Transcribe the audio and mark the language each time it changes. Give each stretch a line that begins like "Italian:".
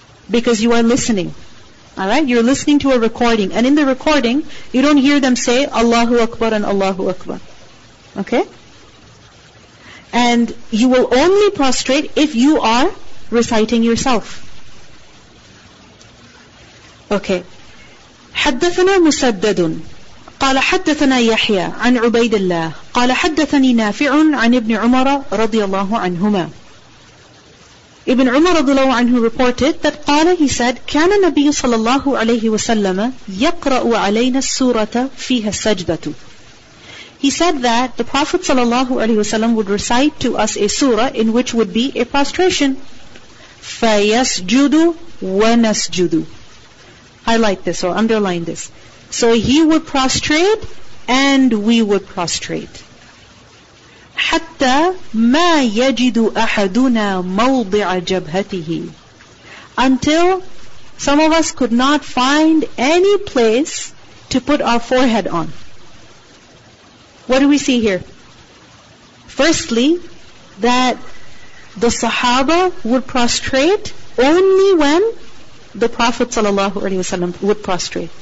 English: Because you are listening. Alright, you're listening to a recording, and in the recording, you don't hear them say, Allahu Akbar and Allahu Akbar. Okay? And you will only prostrate if you are reciting yourself. Okay.
Arabic: حدثنا مسدد قال حدثنا يحيى عن عبيد الله قال حدثني نافع عن ابن عمر رضي الله عنهما.
English: Ibn Umar radiallahu anhu reported that qala, he said,
Arabic: كان النبي صلى الله عليه وسلم يقرأ علينا السورة فيها السجدة.
English: He said that the Prophet
Arabic: صلى الله عليه وسلم
English: would recite to us a surah in which would be a prostration.
Arabic: فَيَسْجُدُ وَنَسْجُدُ.
English: Highlight this or underline this. So he would prostrate and we would prostrate.
Arabic: حتى ما يجد أحدنا موضع جبهته.
English: Until some of us could not find any place to put our forehead on. What do we see here? Firstly, that the Sahaba would prostrate only when the Prophet ﷺ would prostrate.